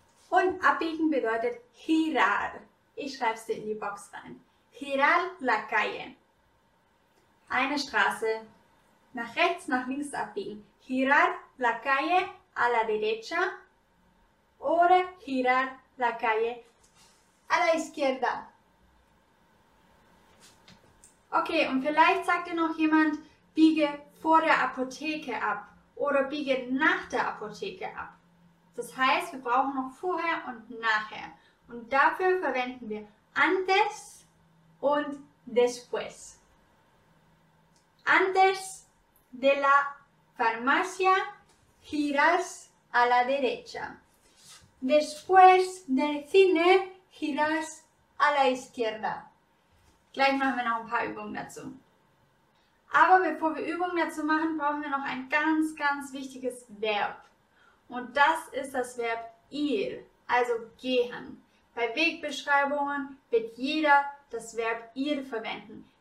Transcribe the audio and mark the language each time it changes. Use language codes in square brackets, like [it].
[de] Und abbiegen bedeutet girar. Ich schreibe es dir in die Box rein. [es] Girar la calle. [de] Eine Straße nach rechts, nach links abbiegen. [es] Girar la calle a la derecha. Oder girar la calle a la izquierda. [de] Okay, und vielleicht sagt dir noch jemand, biege vor der Apotheke ab oder biege nach der Apotheke ab. Das heißt, wir brauchen noch vorher und nachher. Und dafür verwenden wir antes und después. [es] Antes de la farmacia, giras a la derecha. Después del cine, giras a la izquierda. [de] Gleich machen wir noch ein paar Übungen dazu. Aber bevor wir Übungen dazu machen, brauchen wir noch ein ganz, ganz wichtiges Verb. Und das ist das Verb ir, also gehen. Bei Wegbeschreibungen wird jeder das Verb ir verwenden.